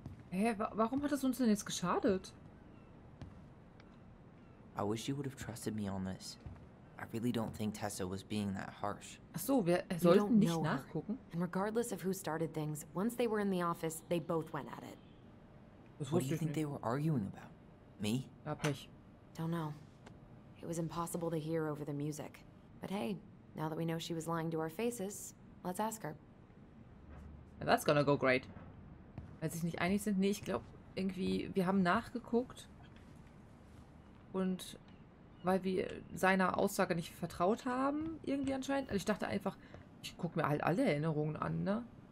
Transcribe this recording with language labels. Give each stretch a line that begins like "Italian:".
German: Hä, warum hat es uns denn jetzt geschadet?
English: I wish you would have trusted me on this. I really don't think Tessa was being that harsh.
German: Ach so, wir sollten nicht nachgucken.
English: And regardless of who started things, once they were in the office, they both went at it. What do you think they were arguing about? Me?
German: Ja, Pech.
English: Don't know. It was impossible to hear over the music. But hey, now that we know she was lying to our faces, let's ask her. Now that's gonna go great.
German: Weil sie sich nicht einig sind? Nee, ich glaube irgendwie, wir haben nachgeguckt. Und weil wir seiner Aussage nicht vertraut haben, irgendwie anscheinend. Also ich dachte einfach, ich gucke mir halt alle Erinnerungen an, ne?